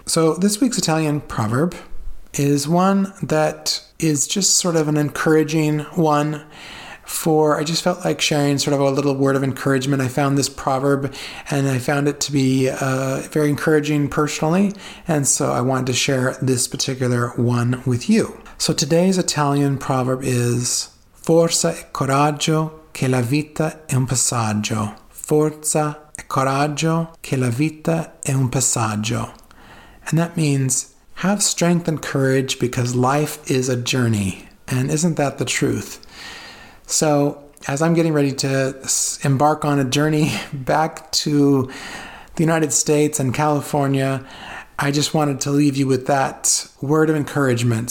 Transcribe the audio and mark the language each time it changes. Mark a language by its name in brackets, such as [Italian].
[English] So this week's Italian proverb is one that is just sort of an encouraging one for, I just felt like sharing sort of a little word of encouragement. I found this proverb and I found it to be very encouraging personally. And so I wanted to share this particular one with you. So today's Italian proverb is [Italian] Forza e coraggio che la vita è un passaggio. Forza e coraggio che la vita è un passaggio. [English] And that means have strength and courage because life is a journey. And isn't that the truth? So as I'm getting ready to embark on a journey back to the United States and California, I just wanted to leave you with that word of encouragement.